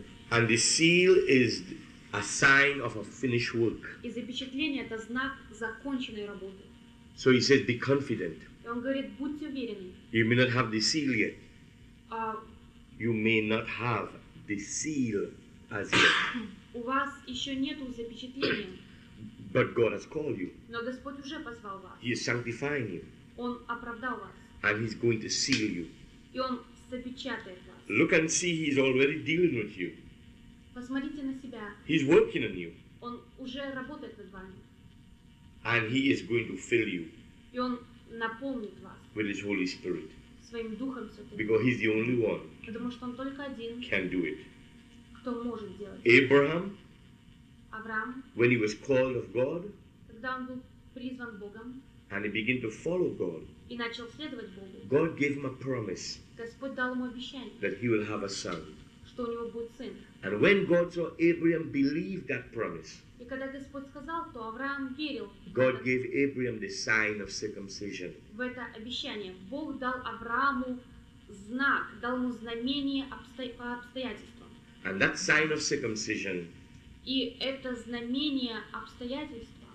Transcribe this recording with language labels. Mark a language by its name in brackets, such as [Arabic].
[English] And the seal is a sign of a finished work. [Russian] И запечатление это знак законченной работы. [English] So he says, be confident. [Russian] И он говорит, будьте уверены. [English] You may not have the seal yet. You may not have the seal as yet. [Russian] У вас еще нету запечатления. [English] But God has called you. [Russian] Но Господь уже позвал вас. [English] He is sanctifying you. [Russian] Он оправдал вас. [English] And he's going to seal you. [Russian] И он запечатает вас. [English] Look and see, he's already dealing with you. [Russian] Посмотрите на себя. [English] He's working on you. [Russian] Он уже работает над вами. [English] And he is going to fill you. [Russian] И он наполнит вас. [English] With his Holy Spirit. [Russian] Своим Духом Святым. [English] Because he's the only one. [Russian] Потому что он только один. [English] Can do it. [Russian] Кто может делать. [English] Abraham. [Russian] Авраам, [English] when he was called of God, [Russian] когда он был призван Богом, [English] and he began to follow God, [Russian] и начал следовать Богу, [English] God gave him a promise, [Russian] Господь дал ему обещание, [English] that he will have a son, [Russian] что у него будет сын. [English] And when God saw Abraham believe that promise, [Russian] и когда Господь сказал, то Авраам верил. [English] God gave Abraham the sign of circumcision. [Russian] В это обещание Бог дал Аврааму знак, дал ему знамение по обстоятельствам. [English] And that sign of circumcision. [Russian] И это знамение обстоятельства